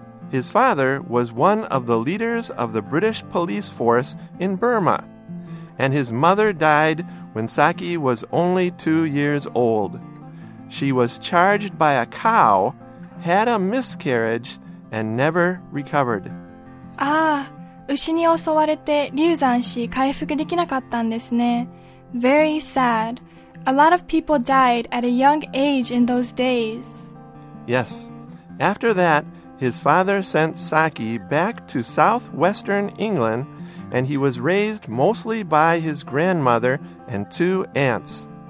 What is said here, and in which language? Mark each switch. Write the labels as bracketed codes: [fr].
[en] His father was one of the leaders of the British police force in Burma. And his mother died when Saki was only 2 years old. She was charged by a cow, had a miscarriage, and never recovered. [ja] Ah, 牛に襲われて流産し回復できなかったんですね。 [en] Very sad. A lot of people died at a young age in those days. Yes. After that, his father sent Saki back to southwestern England, and he was raised mostly by his grandmother and two aunts.